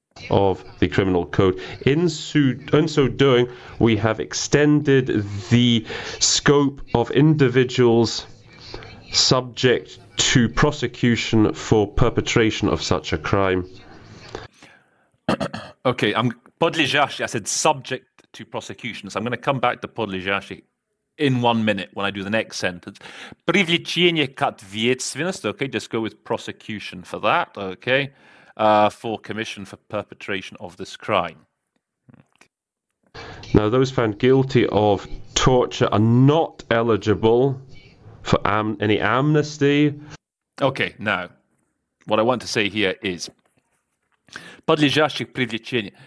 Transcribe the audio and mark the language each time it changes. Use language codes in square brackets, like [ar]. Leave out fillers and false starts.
[en] Of the criminal code. In so doing, we have extended the scope of individuals subject to prosecution for perpetration of such a crime. Okay, I'm podlejashi. I said subject to prosecution. So I'm going to come back to podlejashi in 1 minute when I do the next sentence. [ru] Привлечение к ответственности. [en] Okay, just go with prosecution for that. Okay, for commission for perpetration of this crime. Now, those found guilty of torture are not eligible for any amnesty. Okay, now, what I want to say here is [ru] подлежащих привлечения.